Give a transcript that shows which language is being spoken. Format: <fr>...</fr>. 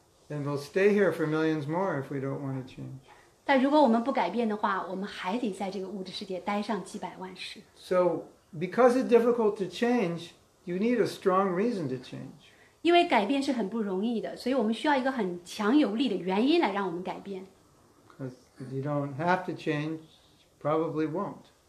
<en>And we'll stay here for millions more if we don't want to change.</en> <zh>但如果我们不改变的话, 我们还得在这个物质世界待上几百万世。</zh> <en>So, because it's difficult to change, you need a strong reason to change.</en> <zh>因为改变是很不容易的, 所以我们需要一个很强有力的原因来让我们改变。</zh> <en>Because if you don't have to change, you probably won't.</en>